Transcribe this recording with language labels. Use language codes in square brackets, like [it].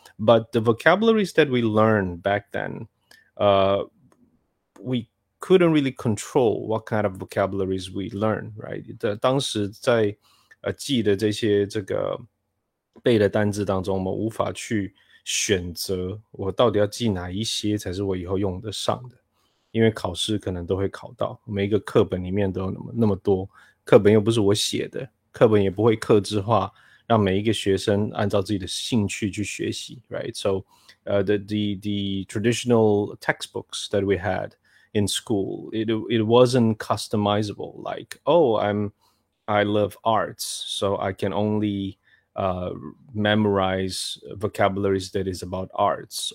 [en] But the vocabularies that we learned back then, we couldn't really control what kind of vocabularies we learn, right? [zh] 当时在记的这些这个背的单字当中，我们无法去选择我到底要记哪一些才是我以后用得上的，因为考试可能都会考到，每一个课本里面都有那么多，课本又不是我写的，课本也不会客制化让每一个学生按照自己的兴趣去学习， right? [en] So, the traditional textbooks that we had in school, it wasn't customizable. Like, oh, I love arts, so I can only memorize vocabularies that is about arts.